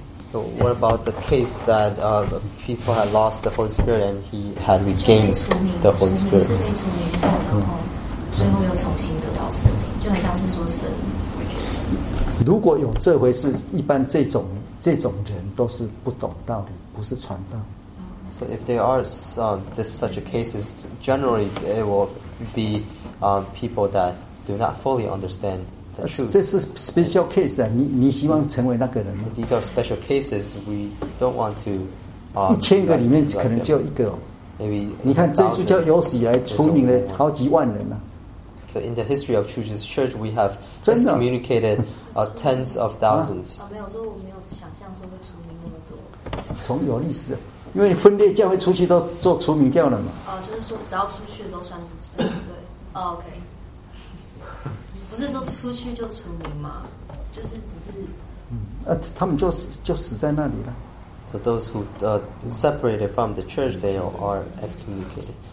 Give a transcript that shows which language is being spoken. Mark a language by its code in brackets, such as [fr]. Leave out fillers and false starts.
[en] So what about the case that the people had lost the Holy Spirit and he had regained the Holy Spirit? [zh] 是被除名后，然后最后又重新得到圣灵，就很像是说圣灵。如果有这回事，一般这种人都是不懂道理，不是传道。 [en] So if there are such a cases, generally it will be people that do not fully understand the truth. [zh] 这是 [en] special case [zh] 啊，你希望成为那个人吗？ [en] These are special cases. We don't want to. [zh] 一千个里面可能就一个。 [en] Maybe [zh] 你看，这就叫有史以来除名的好几万人啊。 [en] So in the history of True Jesus Church, we have excommunicated tens of thousands. [zh] 没有说我没有想象说会除名那么多。从有历史。因为分裂教会出去都做除名掉了嘛。就是说只要出去都算是除名，对。 OK。不是说出去就除名嘛，就是只是。他们就死在那里了。 [en] So those who separated from the church, they are excommunicated.